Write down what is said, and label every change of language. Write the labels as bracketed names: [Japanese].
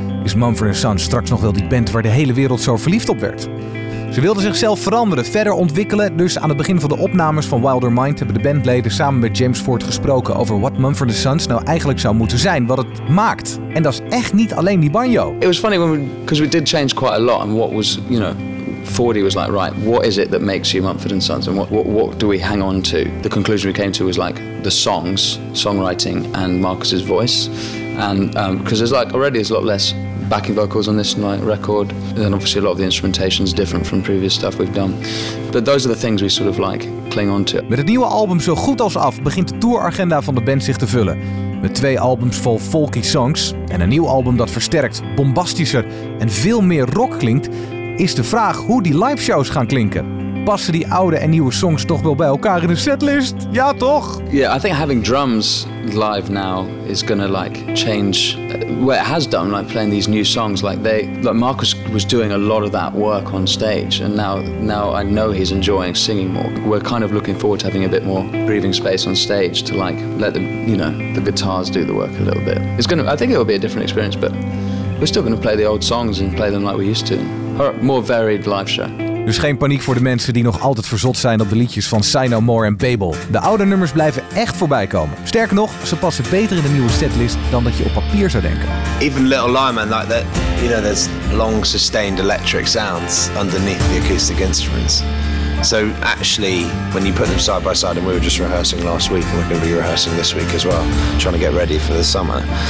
[Dutch] Is Mumford & Sons straks nog wel die band waar de hele wereld zo verliefd op werd? Ze wilden zichzelf veranderen, verder ontwikkelen, dus aan het begin van de opnames van Wilder Mind hebben de bandleden samen met James Ford gesproken over wat Mumford & Sons nou eigenlijk zou moeten zijn, wat het maakt. En dat is echt niet alleen die banjo. [English] It was funny, because we did change quite a lot and what was, you know... Fordy was like, right, what is it that makes you Mumford & Sons, and what do we hang on to? The conclusion we came to was like the songs, songwriting, and Marcus's voice. And because there's like already there's a lot less backing vocals on this record, and then obviously a lot of the instrumentation is different from previous stuff we've done. But those are the things we sort of like cling on to. [Dutch] Met het nieuwe album zo goed als af begint de touragenda van de band zich te vullen. Met twee albums vol folky songs en een nieuw album dat versterkt, bombastischer en veel meer rock klinkt. Is de vraag hoe die liveshows gaan klinken. Passen die oude en nieuwe songs toch wel bij elkaar in de setlist? Ja toch? [English] Yeah, I think having drums live now is gonna like change what it has done, like playing these new songs. Like Marcus was doing a lot of that work on stage and now I know he's enjoying singing more. We're kind of looking forward to having a bit more breathing space on stage to like let the, you know, the guitars do the work a little bit. I think it'll be a different experience, but we're still gonna play the old songs and play them like we used to. Or more varied live show. [Dutch] Dus geen paniek voor de mensen die nog altijd verzot zijn op de liedjes van Say No More en Babel. De oude nummers blijven echt voorbij komen. Sterker nog, ze passen beter in de nieuwe setlist dan dat je op papier zou denken. [English] Even Little Lyman, like that, you know, there's long sustained electric sounds underneath the acoustic instruments. So actually, when you put them side by side, and we were just rehearsing last week, and we're going to be rehearsing this week as well, trying to get ready for the summer.